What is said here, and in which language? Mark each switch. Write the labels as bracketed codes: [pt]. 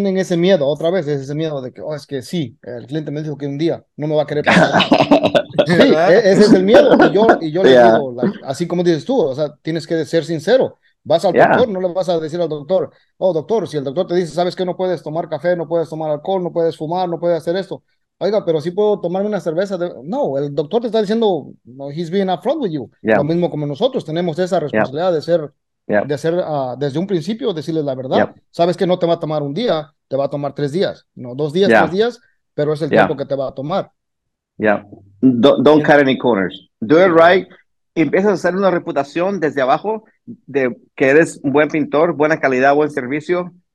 [es] tienen ese miedo, otra vez, es ese miedo de que, oh, es que sí, el cliente me dijo que un día no me va a querer pagar. Sí, ese es el miedo. Y yo yeah. le digo, [en] like, [es] así como dices tú, o sea, tienes que ser sincero. Vas al doctor, yeah. no le vas a decir al doctor, oh, doctor, si el doctor te dice, sabes que no puedes tomar café, no puedes tomar alcohol, no puedes fumar, no puedes hacer esto. Oiga, pero sí puedo tomarme una cerveza. No, el doctor te está diciendo, no, [en] he's being upfront with you. Yeah. [es] Lo mismo como nosotros, tenemos esa responsabilidad yeah. de ser, yeah. de ser desde un principio, decirles la verdad. Yeah. Sabes que no te va a tomar un día, te va a tomar 3 días. No, 2 días, yeah. 3 días, pero es el yeah. tiempo que te va a tomar. [en] Yeah. Don't cut any corners. Do it right. [es] Empiezas a hacer una reputación desde abajo de que eres un buen pintor, buena calidad, buen servicio.